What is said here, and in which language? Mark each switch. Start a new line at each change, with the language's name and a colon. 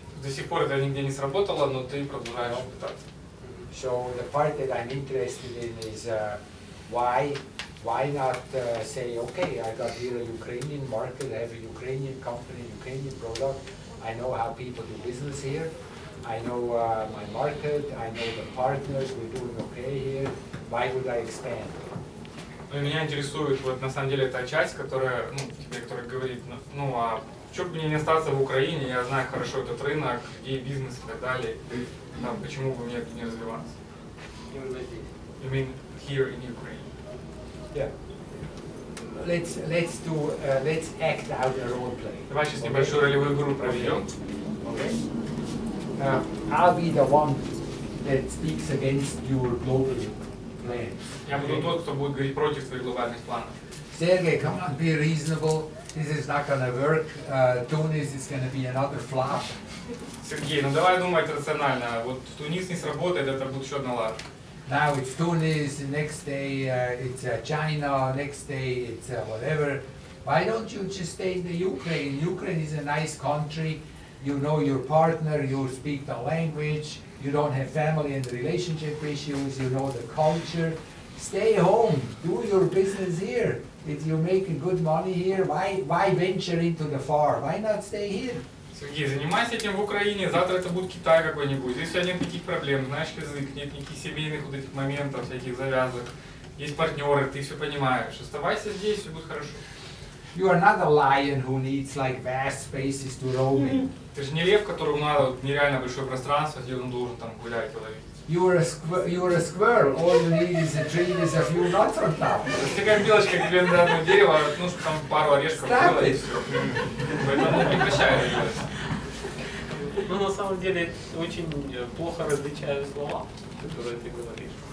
Russian: До сих пор это нигде не сработало, но ты продолжаешь пытаться.
English: So the part that I'm interested in is why not say okay, I got here a Ukrainian market, I have a Ukrainian company, Ukrainian product. I know how people do business here. I know my market, I know the partners, we're doing okay here. Why would I expand?
Russian: Ну, меня интересует вот на самом деле та часть, которая, ну, тебе, которая говорит, ну а что бы мне не остаться в Украине, я знаю хорошо этот рынок, где бизнес и так далее, там, почему бы мне не развиваться? Именно здесь.
English: You mean here in Ukraine? Yeah. Let's act out a role play.
Russian: Давай сейчас небольшую ролевую игру проведем.
English: Okay. I'll be the one that speaks against your global plans.
Russian: Я буду тот, кто будет говорить против твоих глобальных планов.
English: Sergey, come on, be reasonable. This is not gonna work. Tunis is gonna be another flop.
Russian: Сергей, ну давай думать рационально. Вот Тунис не сработает, это будет еще одна лажа.
English: Now it's Tunis, next day it's China, next day it's whatever. Why don't you just stay in the Ukraine? Ukraine is a nice country. You know your partner, you speak the language, you don't have family and relationship issues, you know the culture. Stay home, do your business here. If you're making good money here, why venture into the far? Why not stay here?
Russian: Сергей, занимайся этим в Украине, завтра это будет Китай какой-нибудь. Здесь у тебя нет никаких проблем, знаешь язык, нет никаких семейных вот этих моментов, всяких завязок. Есть партнеры, ты все понимаешь. Оставайся здесь, все будет хорошо.
English: You are not a lion who needs like vast spaces to roam in.
Russian: Ты же не лев, которому надо нереально большое пространство, где он должен там гулять и ловить.
English: You're a squirrel. All you need is a tree with a few nuts on top.
Russian: Такая белочка, как тебе надо дерево, ну что там пару орешков было и все. Поэтому не прощаю. Ну на самом деле очень плохо различаю слова, которые ты говоришь.